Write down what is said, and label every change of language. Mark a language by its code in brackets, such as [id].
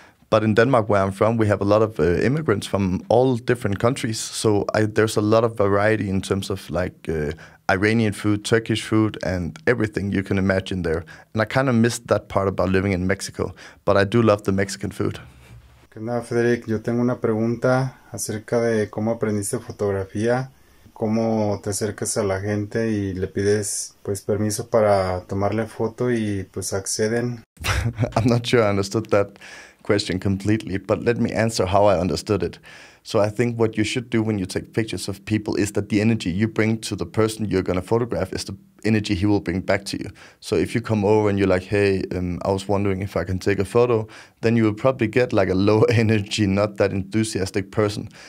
[en] But in Denmark, where I'm from, we have a lot of immigrants from all different countries. So there's a lot of variety in terms of like Iranian food, Turkish food, and everything you can imagine there. And I kind of missed that part about living in Mexico, but I do love the Mexican food. [es] ¿Qué onda, Frederick? Yo tengo una pregunta acerca de cómo aprendiste fotografía, cómo te acercas a la gente y le pides pues permiso para tomarle foto y pues acceden. [en] I'm not sure I understood that question completely, but let me answer how I understood it. So I think what you should do when you take pictures of people is that the energy you bring to the person you're going to photograph is the energy he will bring back to you. So if you come over and you're like, hey, I was wondering if I can take a photo, then you will probably get like a low energy, not that enthusiastic person.